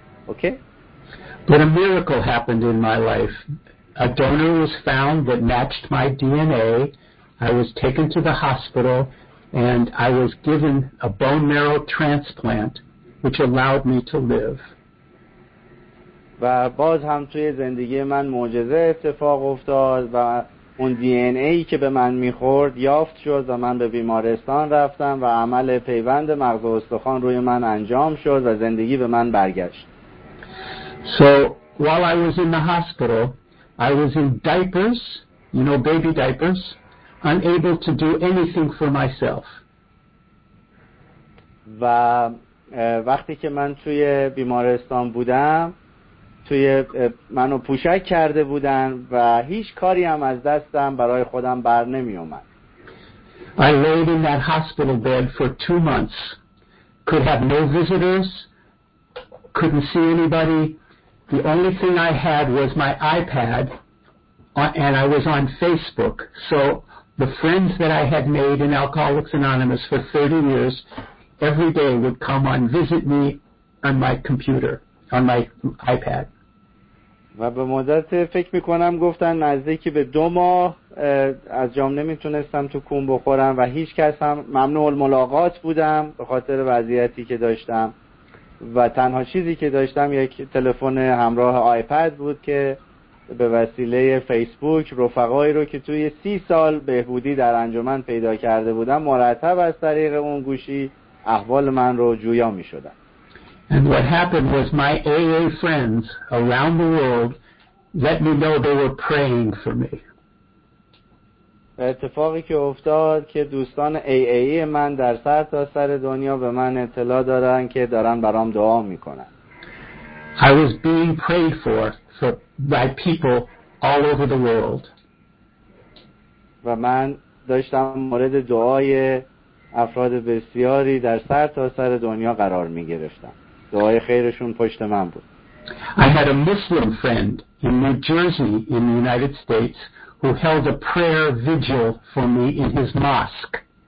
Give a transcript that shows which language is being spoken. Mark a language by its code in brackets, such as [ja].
[en] Okay. But a miracle happened in my life. A donor was found that matched my DNA. I was taken to the hospital and I was given a bone marrow transplant which allowed me to live. [fa] و باز هم توی زندگی من معجزه اتفاق افتاد و اون DNA که به من میخورد یافت شد و من به بیمارستان رفتم و عمل پیوند مغز و استخوان روی من انجام شد و زندگی به من برگشت. [en] So while I was in the hospital, I was in diapers, you know, baby diapers, unable to do anything for myself. [fa] و وقتی که من توی بیمارستان بودم، توی منو پوشک کرده بودن و هیچ کاری هم از دستم برای خودم بر نمی اومد. [en] I laid in that hospital bed for 2 months. Could have no visitors, couldn't see anybody. The only thing I had was my iPad, and I was on Facebook. So the friends that I had made in Alcoholics Anonymous for 30 years, every day would come and visit me on my computer, on my iPad. [fa] و به مدت فکر میکنم گفتن نزدیکی به 2 ماه از جام نمیتونستم تو کون بخورم و هیچ کس هم ممنوع الملاقات بودم به خاطر وضعیتی که داشتم. و تنها چیزی که داشتم یک تلفن همراه آیپد بود که به وسیله فیسبوک رفقایی رو که توی 30 سال بهبودی در انجمن پیدا کرده بودم مرتب از طریق اون گوشی احوال من رو جویا می شدن. [en] And what happened was my AA friends around the world let me know they were praying for me. [fa] اتفاقی که افتاد که دوستان AA من در سراسر دنیا به من اطلاع دادن که دارن برام دعا میکنن. [en] I was being prayed for by people all over the world. [fa] و من داشتم مورد دعای افراد بسیاری در سراسر دنیا قرار میگرفتم. دعای خیرشون پشت من بود. [en] I had a Muslim friend in New Jersey in the United States who held a prayer vigil for me in his mosque.